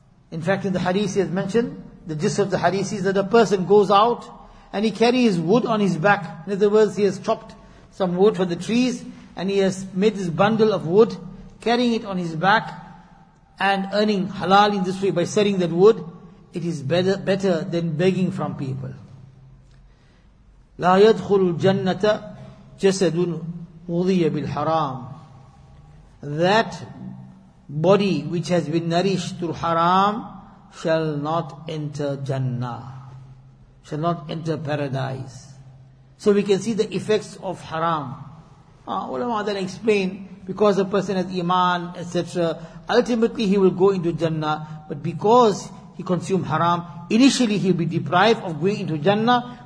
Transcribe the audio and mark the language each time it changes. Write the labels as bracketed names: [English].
[English] In fact, in the hadith he has mentioned, the gist of the hadith is that a person goes out and he carries wood on his back. In other words, he has chopped some wood for the trees and he has made this bundle of wood, carrying it on his back and earning halal in this way by selling that wood. It is better than begging from people. [Arabic] لا يدخل الجنة جسد وضي بالحرام. [English] That body which has been nourished through haram shall not enter Jannah, shall not enter paradise. So we can see the effects of haram. Ulama then explain, because a person has iman, etc., ultimately he will go into Jannah, but because he consumed haram, initially he will be deprived of going into Jannah.